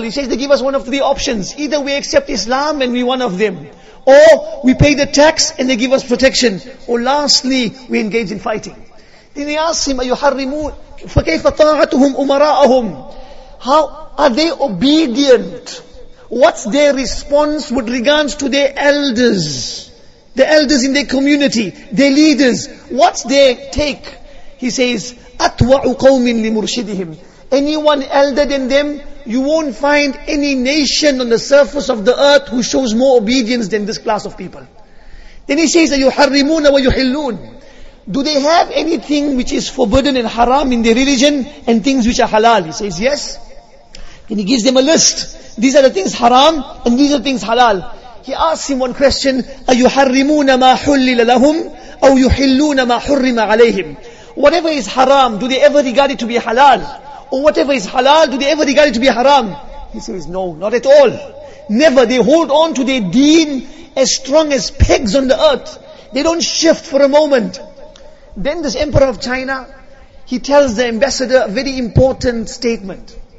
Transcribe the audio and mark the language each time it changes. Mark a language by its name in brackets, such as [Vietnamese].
[English] He says, they give us one of three options. Either we accept Islam and we're one of them, or we pay the tax and they give us protection, or lastly, we engage in fighting. Then he asks him, [Arabic] أَيُحَرِّمُونَ فَكَيْفَ طَاعَتُهُمْ أُمَرَاءَهُمْ. [English] How are they obedient? What's their response with regards to their elders? The elders in their community, their leaders. What's their take? He says, [Arabic] أَطْوَعُ قَوْمٍ لِمُرْشِدِهِمْ. [English] Anyone elder than them, you won't find any nation on the surface of the earth who shows more obedience than this class of people. Then he says, [Arabic] أَيُحَرِّمُونَ وَيُحِلُّونَ. [English] Do they have anything which is forbidden and haram in their religion and things which are halal? He says, yes. And he gives them a list. These are the things haram and these are the things halal. He asks him one question, [Arabic] أَيُحَرِّمُونَ مَا حُلِّلَ لَهُمْ أَوْ يُحِلُّونَ مَا حُرِّمَ عَلَيْهِمْ. [English] Whatever is haram, do they ever regard it to be halal? Or whatever is halal, do they ever regard it to be haram? He says, no, not at all. Never. They hold on to their deen as strong as pegs on the earth. They don't shift for a moment. Then this emperor of China, he tells the ambassador a very important statement.